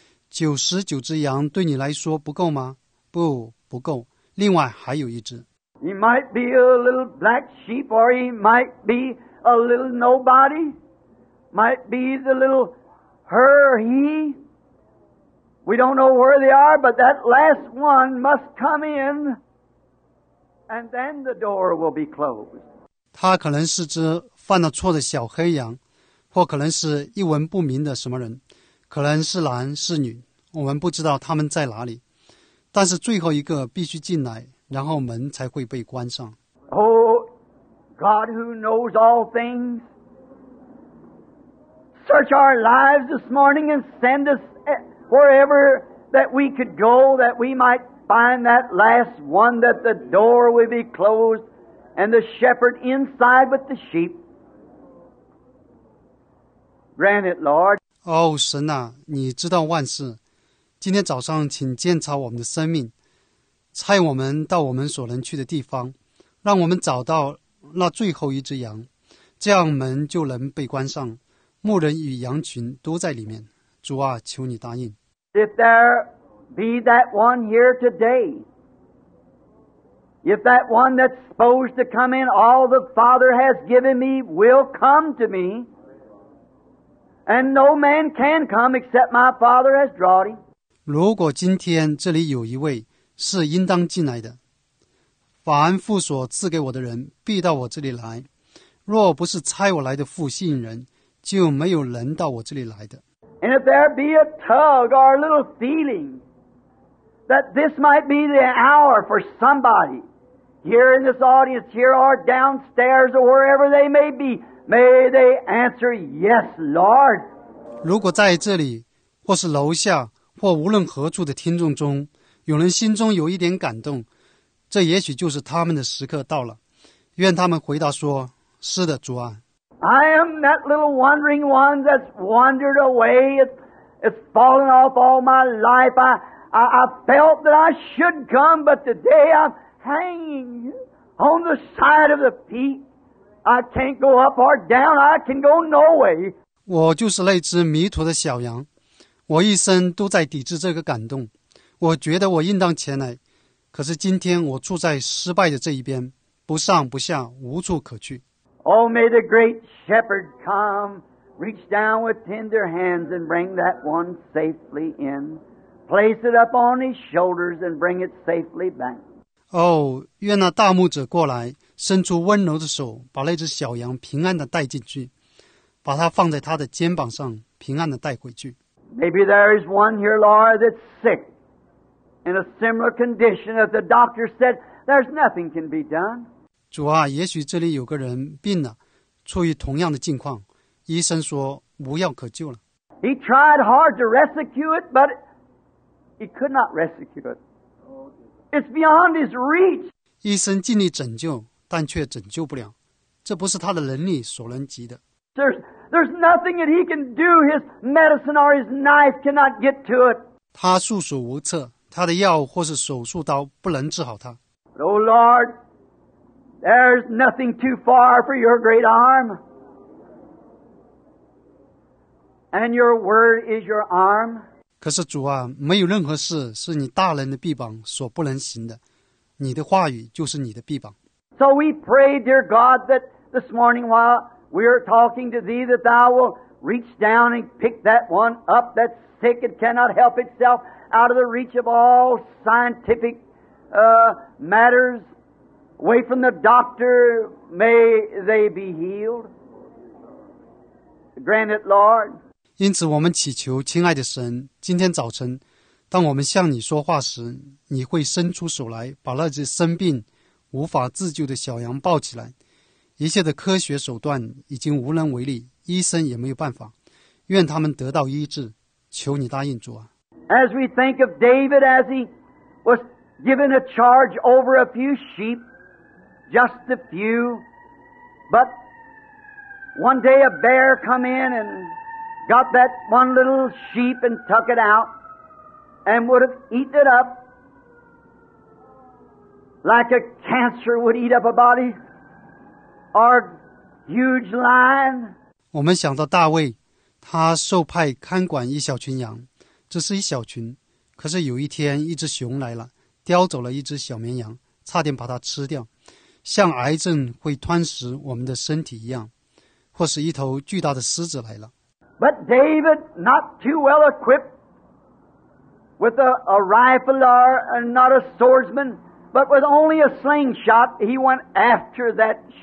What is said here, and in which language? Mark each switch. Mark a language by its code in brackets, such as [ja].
[zh] 九十九只羊对你来说不够吗？不，不够。另外还有一只。 [en] He might be a little black sheep, or he might be a little nobody, might be the little her or he. We don't know where they are, but that last one must come in. And then the door will be closed. [zh] 他可能是只犯了错的小黑羊，或可能是一文不名的什么人，可能是男是女，我们不知道他们在哪里。但是最后一个必须进来，然后门才会被关上。 [en] Oh, God who knows all things, search our lives this morning and send us wherever that we could go that we might. Find that last one that the door will be closed and the shepherd inside with the sheep. Grant it, Lord. [zh] Oh, 神啊，你知道万事。今天早上请鉴察我们的生命，差我们到我们所能去的地方，让我们找到那最后一只羊，这样门就能被关上，牧人与羊群都在里面。主啊，求你答应。 [en] If there... Be that one here today. If that one that's supposed to come in, all the Father has given me will come to me. And no man can come except my Father has drawn him. [zh] 如果今天这里有一位是应当进来的，凡父所赐给我的人必到我这里来。若不是差我来的父吸引人，就没有人到我这里来的。 [en] And if there be a tug or a little feeling,That this might be the hour for somebody here in this audience, here or downstairs or wherever they may be, may they answer yes, Lord. [zh] 如果在这里，或是楼下，或无论何处的听众中，有人心中有一点感动，这也许就是他们的时刻到了。愿他们回答说：“是的，主啊。” [en] I am that little wandering one that's wandered away. It's fallen off all my life. I felt that I should come, but today I'm hanging on the side of the peak. I can't go up or down. I can go no way. [zh] 我就是那只迷途的小羊，我一生都在抵制这个感动。我觉得我应当前来，可是今天我住在失败的这一边，不上不下，无处可去。 [en] Oh, may the great shepherd come, reach down with tender hands and bring that one safely in. Place it up on his shoulders and bring it safely back. [zh] Oh, 愿那大牧者过来，伸出温柔的手，把那只小羊平安地带进去，把它放在他的肩膀上，平安地带回去。 [en] Maybe there is one here, Lord, that's sick in a similar condition that the doctor said there's nothing can be done. [zh] 主啊，也许这里有个人病了，处于同样的境况，医生说无药可救了。 [en] He tried hard to rescue it, but He could not rescue it. It's beyond his reach. [zh] 医生尽力拯救，但却拯救不了，这不是他的能力所能及的。 [en] There's nothing that he can do. His medicine or his knife cannot get to it. [zh] 他束手无策，他的药或是手术刀不能治好他。 [en] Oh Lord, there's nothing too far for your great arm. And your word is your arm. [zh] 可是主啊，没有任何事是你大能的臂膀所不能行的，你的话语就是你的臂膀。 [en] So we pray, dear God, that this morning while we are talking to thee, that thou will reach down and pick that one up that's sick and cannot help itself out of the reach of all scientific matters, away from the doctor, may they be healed. Grant it, Lord. [zh] 因此我们祈求亲爱的神，今天早晨当我们向你说话时，你会伸出手来把那只生病无法自救的小羊抱起来。一切的科学手段已经无能为力，医生也没有办法，愿他们得到医治，求你答应主啊。 [en] As we think of David as he was given a charge over a few sheep, just a few, but one day a bear come in and got that one little sheep and took it out and would have eaten it up like a cancer would eat up a body. Our huge lion. [zh] 我们想到大卫，他受派看管一小群羊，只是一小群，可是有一天一只熊来了，叼走了一只小绵羊，差点把它吃掉，像癌症会吞食我们的身体一样，或是一头巨大的狮子来了。 [en] But David, not too well equipped with a rifle or not a swordsman, but with only a slingshot, he went after that.